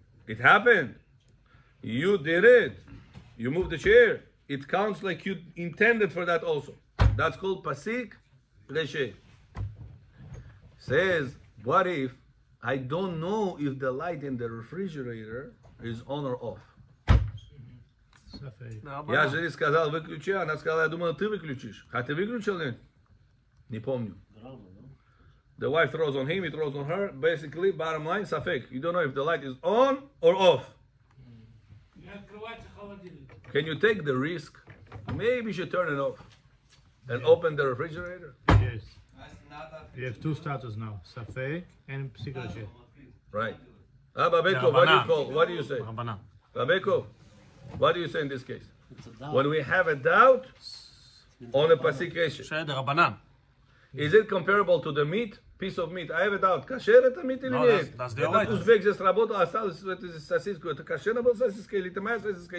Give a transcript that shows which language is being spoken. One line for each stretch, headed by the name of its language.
English: It happened. You did it. You moved the chair. It counts like you intended for that also. That's called pasik reshe. Says, what if I don't know if the light in the refrigerator is on or off?
Russian: Я же не сказал выключи, она сказала, я думала, ты выключишь. А ты выключил? Не помню.
English: The wife throws on him, he throws on her. Basically, bottom line, safek. You don't know if the light is on or off. Can you take the risk? Maybe you should turn it off and open the refrigerator? Yes. You have two status now, safek and psikoshe. Right. Ah, Babeko, what do you call? What do you say? Babeko. What do you say in this case? It's a doubt. When we have a doubt on a pasik reshe. Is it comparable to the meat? Piece of meat. I have a doubt. Kasher eta mit ili
Yiddish: nit?
Russian: Это узбек здесь работал, осталось сосиску. Это сосиска. Это кашена была сосиска или это моя сосиска?